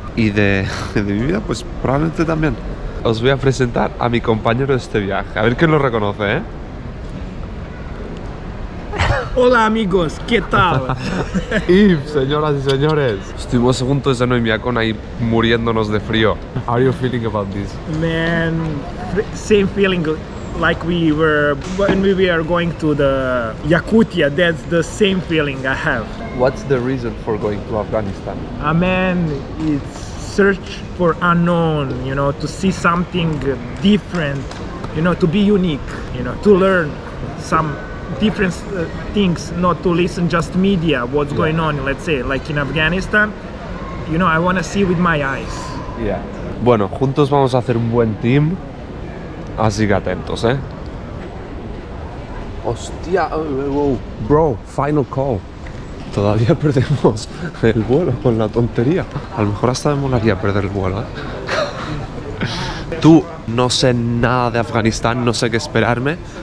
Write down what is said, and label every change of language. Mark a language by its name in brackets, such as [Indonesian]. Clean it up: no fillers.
[Spanish] Y de mi vida, pues probablemente también. Os voy a presentar a mi compañero de este viaje, a ver quién lo reconoce, ¿eh? Hola amigos, ¿qué tal? Yves, señoras y señores. Estuvimos juntos en Noimiacón con ahí muriéndonos de frío. [English] How are you feeling about this? Man, same feeling like we were when we were going to the Yakutia. That's the same feeling I have. What's the reason for going to Afghanistan? A man, it's search for unknown, you know, to see something different, you know, to be unique, you know, to learn some different things, not to listen just media what's going on, let's say, like in Afghanistan. You know, I want to see with my eyes. [Spanish] Bueno, juntos vamos a hacer un buen team, así que atentos, ¿eh? Hostia, bro, [English] final call. [Spanish] Todavía perdemos el vuelo con la tontería. A lo mejor hasta me molaría perder el vuelo, ¿eh? Tú, no sé nada de Afganistán, no sé qué esperarme.